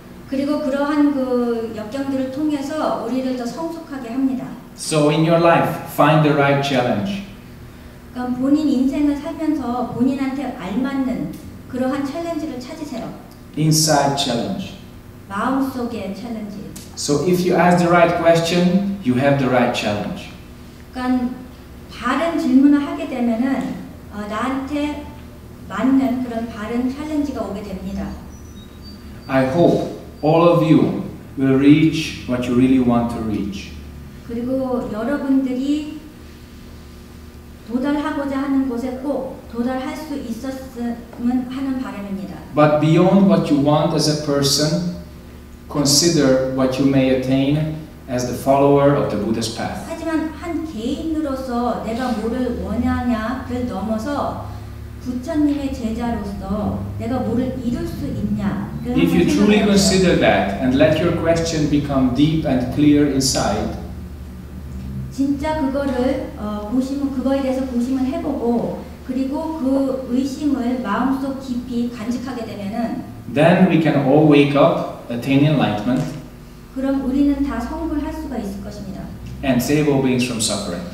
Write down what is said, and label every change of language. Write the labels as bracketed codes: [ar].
[ko] 그리고 그러한 그 역경들을 통해서 우리를 더 성숙하게 합니다. [en] So in your life, find the right challenge. [ko] 그러니까 본인 인생을 살면서 본인한테 알맞는 그러한 챌린지를 찾으세요. [en] Inside challenge. [ko] 마음속의 챌린지. [en] So if you ask the right question, you have the right challenge. [ko] 그러니까 바른 질문을 하게 되면은 나한테 맞는 그런 바른 챌린지가 오게 됩니다. [en] I hope all of you will reach what you really want to reach. [ko] 그리고 여러분들이 도달하고자 하는 곳에 꼭 도달할 수 있었으면 하는 바람입니다. [en] But beyond what you want as a person, consider what you may attain as the follower of the Buddhist path. [ko] 하지만 한 개인으로서 내가 뭐를 원하냐를 넘어서 부처님의 제자로서 내가 뭐를 이룰 수 있냐 [en] If you truly consider that and let your question become deep and clear inside [ko] 진짜 그거를 고심을 그거에 대해서 고심을 해 보고 그리고 그 의심을 마음속 깊이 간직하게 되면은 [en] then we can all wake up attain enlightenment [ko] 그럼 우리는 다 성불할 수가 있을 것입니다. [en] And save all beings from suffering.